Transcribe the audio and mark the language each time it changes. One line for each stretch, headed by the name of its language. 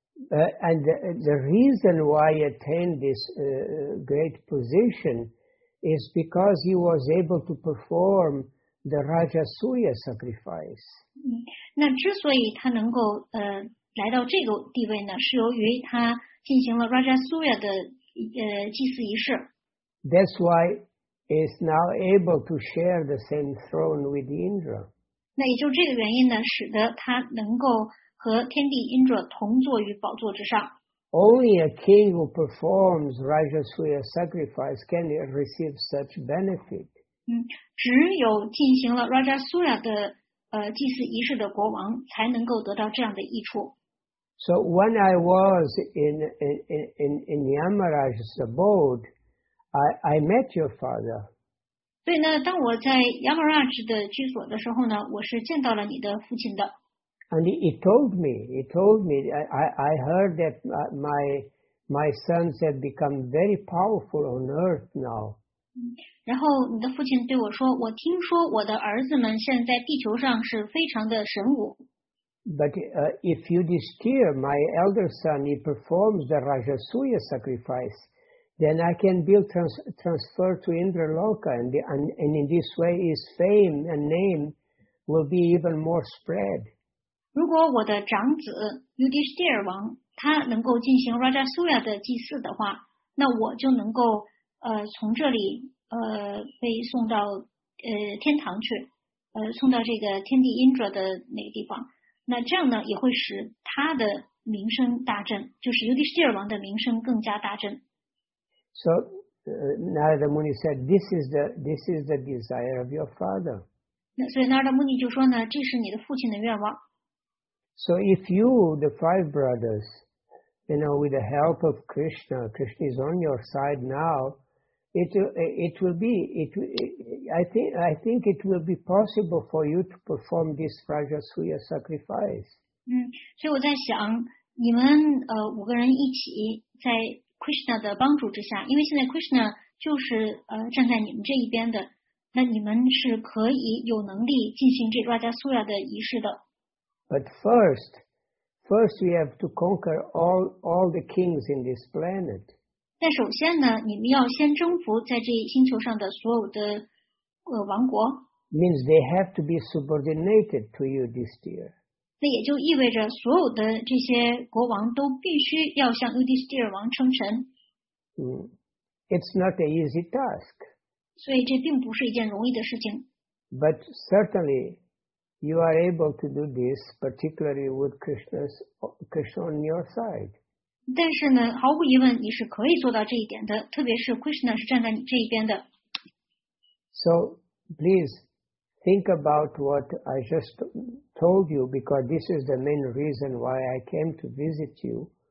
English: And the reason why he attained this great position is because he was able to perform the Rajasuya sacrifice.
Chinese: 那之所以他能够来到这个地位呢，是由于他进行了 Rajasuya 的祭祀仪式。
English: That's why he's now able to share the same throne with Indra.
Chinese: 那也就这个原因呢，使得他能够和天地 Indra 同坐于宝座之上。
English: Only a king who performs Rajasuya sacrifice can receive such benefit.
Chinese: 只有进行了 Rajasuya 的祭祀仪式的国王才能够得到这样的益处。
English: So when I was in Yamaraj's abode, I met your father.
Chinese: 所以呢，当我在 Yamaraj 的居所的时候呢，我是见到了你的父亲的。
English: And he told me, I heard that my sons have become very powerful on earth now.
Chinese: 然后你的父亲对我说，我听说我的儿子们现在地球上是非常的神武。
English: But if you disappear, my elder son, he performs the Rajasuya sacrifice, then I can build transfer to Indra Loka, and in this way his fame and name will be even more spread.
Chinese: 如果我的长子 Yudhishthir 王他能够进行 Rajasuya 的祭祀的话，那我就能够从这里被送到天堂去，送到这个天地 Indra 的那个地方。那这样呢，也会使他的名声大振，就是尤迪斯蒂尔王的名声更加大振。
English: So, Narada Muni said, "This is the desire of your father."
Chinese: 那所以 Narada Muni 就说呢，这是你的父亲的愿望。
English: So, if you, the five brothers, you know, with the help of Krishna, Krishna is on your side now. I think it will be possible for you to perform this Rajasuya sacrifice.
Chinese: 所以我在想，你们五个人一起在 Krishna 的帮助之下，因为现在 Krishna 就是站在你们这一边的，那你们是可以有能力进行这 Rajasuya 的仪式的。
English: But first we have to conquer all the kings in this planet.
Chinese: 那首先呢，你们要先征服在这星球上的所有的王国。
English: Means they have to be subordinated to you this year.
Chinese: 那也就意味着所有的这些国王都必须要向乌迪斯蒂尔王称臣。
English: It's not an easy task.
Chinese: 所以这并不是一件容易的事情。
English: But certainly, you are able to do this, particularly with Krishna on your side.
Chinese: 但是呢，毫无疑问，你是可以做到这一点的，特别是 Krishna 是站在你这一边的。
English: So, please think about what I just told you, because this is the main reason why I came to visit you.